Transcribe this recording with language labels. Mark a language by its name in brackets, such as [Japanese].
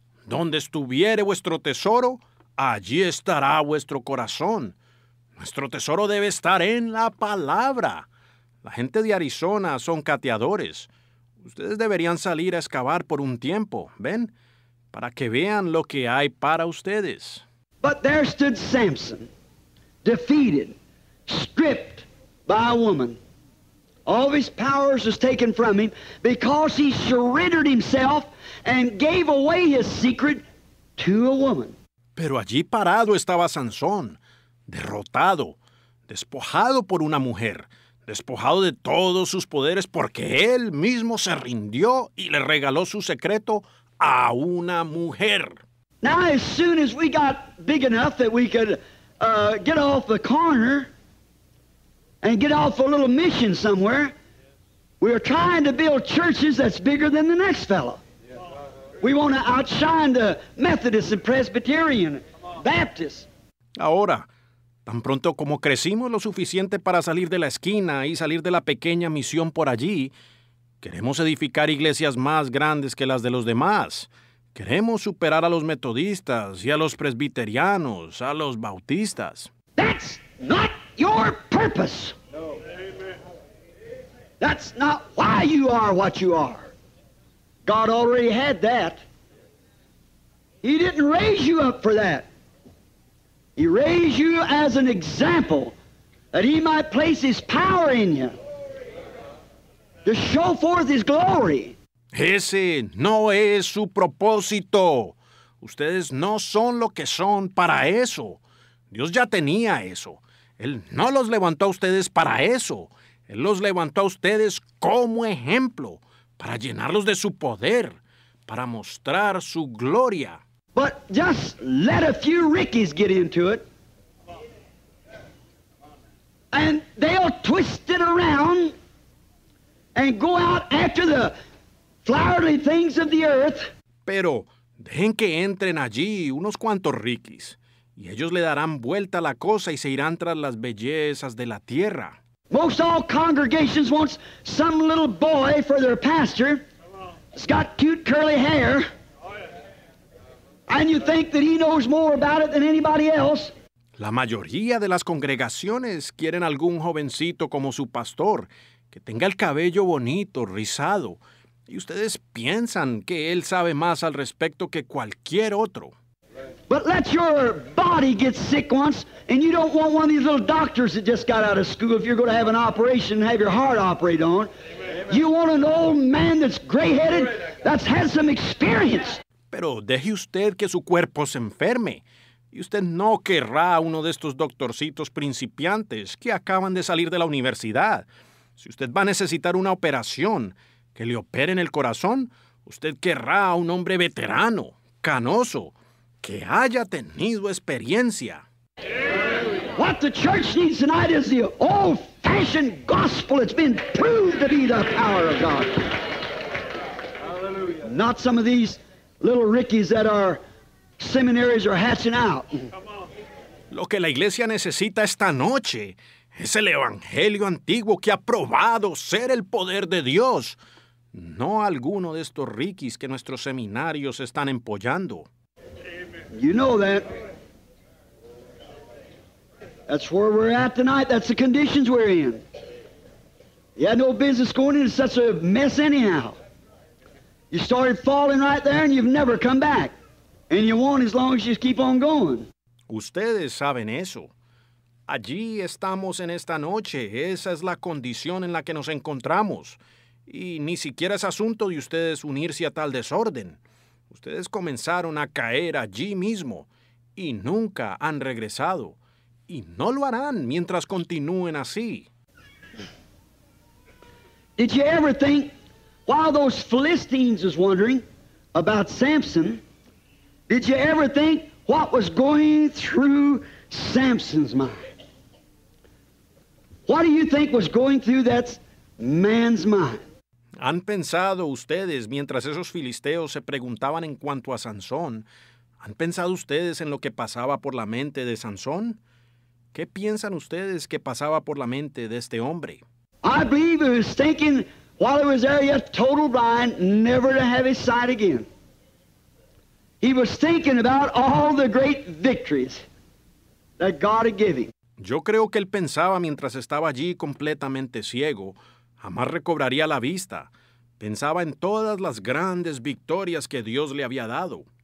[Spanish] Donde estuviere vuestro tesoro, allí estará vuestro corazón. Nuestro tesoro debe estar en la palabra. La gente de Arizona son cateadores. Ustedes deberían salir a excavar por un tiempo, ¿ven? Para que vean lo que hay para ustedes. [English] But there stood Samson, defeated, stripped by a woman. All of his powers was taken from him because he surrendered himself and gave away his secret to a woman. [Spanish] Pero allí parado estaba Sansón, derrotado, despojado por una mujer, despojado de todos sus poderes porque él mismo se rindió y le regaló su secreto a una mujer. [English] Now, as soon as we got big enough that we could get off the corner and get off a little mission somewhere, we are trying to build churches that's bigger than the next fellow. We want to outshine the Methodist and Presbyterian, Baptist. [Spanish] Ahora, tan pronto como crecimos lo suficiente para salir de la esquina y salir de la pequeña misión por allí, queremos edificar iglesias más grandes que las de los demás. Queremos superar a los metodistas y a los presbiterianos, a los bautistas. [English] That's not your purpose. No. Amen. That's not why you are what you are. God already had that. He didn't raise you up for that. He raised you as an example that he might place his power in you to show forth his glory. [Spanish] Ese no es su propósito. Ustedes no son lo que son para eso. Dios ya tenía eso. Él no los levantó a ustedes para eso. Él los levantó a ustedes como ejemplo, para llenarlos de su poder, para mostrar su gloria. [English] But just let a few Rickies get into it. And they'll twist it around and go out after the flowery things of the earth. [Spanish] Pero dejen que entren allí unos cuantos riquis, y ellos le darán vuelta a la cosa y se irán tras las bellezas de la tierra. [English] Most all congregations want some little boy for their pastor. He's got cute curly hair. And you think that he knows more about it than anybody else. [Spanish] La mayoría de las congregaciones quieren algún jovencito como su pastor, que tenga el cabello bonito, rizado. Y ustedes piensan que él sabe más al respecto que cualquier otro. [English] But let your body get sick once, and you don't want one of these little doctors that just got out of school if you're going to have an operation and have your heart operated on. Amen. You want an old man that's gray-headed, that's had some experience. [Spanish] Pero deje usted que su cuerpo se enferme. Y usted no querrá uno de estos doctorcitos principiantes que acaban de salir de la universidad. Si usted va a necesitar una operación que le opere en el corazón, usted querrá a un hombre veterano, canoso, que haya tenido experiencia. [English] What the church needs tonight is the old-fashioned gospel. It's been proved to be the power of God. Hallelujah. Not some of these little Rickies that our seminaries are hatching out. [Spanish] Lo que la iglesia necesita esta noche es el evangelio antiguo que ha probado ser el poder de Dios. No alguno de estos Rickies que nuestros seminarios están empollando. [English] You know that. That's where we're at tonight. That's the conditions we're in. You had no business going into such a mess anyhow. You started falling right there and you've never come back. And you won't as long as you keep on going. [Spanish] Ustedes saben eso. Allí estamos en esta noche. Esa es la condición en la que nos encontramos. Y ni siquiera es asunto de ustedes unirse a tal desorden. Ustedes comenzaron a caer allí mismo y nunca han regresado. Y no lo harán mientras continúen así. [English] Did you ever think, while those Philistines was wondering about Samson, did you ever think what was going through Samson's mind? What do you think was going through that man's mind? [Spanish] ¿Han pensado ustedes, mientras esos filisteos se preguntaban en cuanto a Sansón, han pensado ustedes en lo que pasaba por la mente de Sansón? ¿Qué piensan ustedes que pasaba por la mente de este hombre? [English] I believe he was thinking while he was there, yet total blind, never to have his sight again. He was thinking about all the great victories that God had given. [Spanish] Yo creo que él pensaba mientras estaba allí completamente ciego, jamás recobraría la vista. Pensaba en todas las grandes victorias que Dios le había dado.